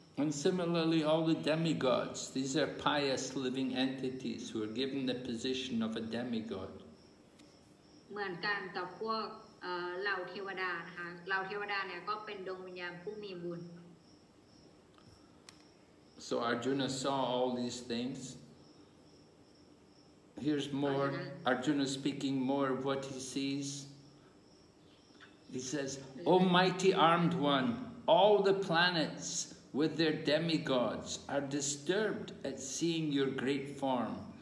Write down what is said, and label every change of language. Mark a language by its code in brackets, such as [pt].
[en] And similarly, all the demigods; these are pious living entities who are given the position of a demigod. [th] เหมือนกันกับพวกเหล่าเทวดานะคะเหล่าเทวดาเนี่ยก็เป็นดวงวิญญาณผู้มีบุญ [en] So Arjuna saw all these things. Here's more. Arjuna speaking more of what he sees. He says, "O mighty armed one, all the planets with their demigods are disturbed at seeing your great form."